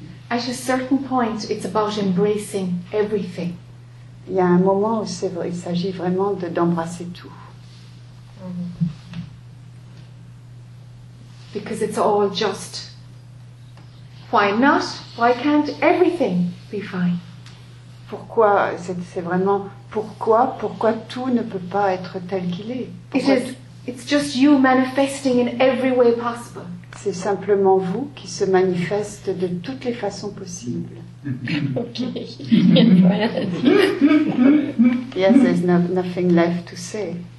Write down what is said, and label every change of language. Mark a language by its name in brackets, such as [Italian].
[English] At a certain point, it's about embracing everything. [French] Il y a un moment où c'est vrai, il s'agit vraiment d'embrasser tout. Mm-hmm. [English] Because it's all just. Why not? Why can't everything be fine? [French] Pourquoi c'est vraiment pourquoi tout ne peut pas être tel qu'il est? [English] It's just you manifesting in every way possible. [French] C'est simplement vous qui se manifeste de toutes les façons possibles. Ok, il n'y a rien à dire. [English] Yes, there's no, nothing left to say.